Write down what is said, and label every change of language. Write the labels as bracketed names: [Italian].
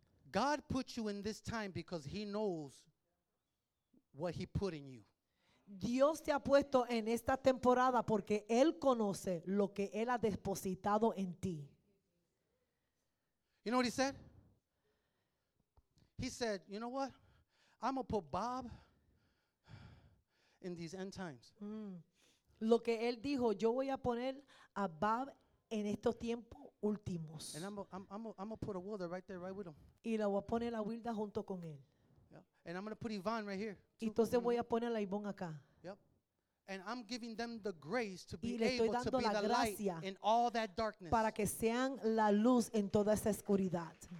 [English] God put you in this time because he knows what he put in you. [Spanish] Dios te ha puesto en esta temporada porque él conoce lo que él ha depositado en ti. [English] You know what he said? He said, you know what? I'm going to put Bob in these end times. [Spanish] Lo que él dijo, yo voy a poner a Bob en estos tiempos últimos. [English] And I'm going to put a Wilder right there, right with him. [Spanish] Y la voy a poner a Wilder junto con él. [English] Yep. And I'm going to put Yvonne right here. [Spanish] Entonces voy a poner a Yvonne acá. [English] Yep. And I'm giving them the grace to be able to be the light in all that darkness. [Spanish] Para que sean la luz en toda esa oscuridad.